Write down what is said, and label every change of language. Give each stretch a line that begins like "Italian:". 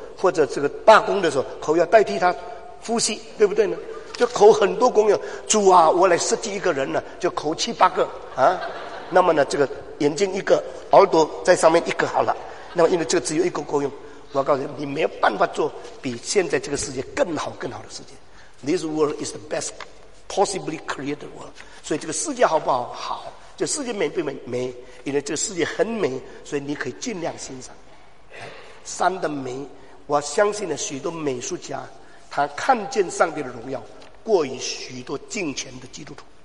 Chinese: 或者这个罢工的时候，口要代替他呼吸，对不对呢？就口很多功用，主啊，我来设计一个人呢，就口7、8个啊。那么呢，这个眼睛一个，耳朵在上面一个好了。那么因为这个只有一个功用，我告诉你，你没有办法做比现在这个世界更好更好的世界。
English: This world is the best possibly created world。
Chinese: 所以这个世界好不好？好，这世界美不美？美，因为这个世界很美，所以你可以尽量欣赏山的美。我相信了许多美术家，他看见上帝的荣耀过于许多敬虔的基督徒。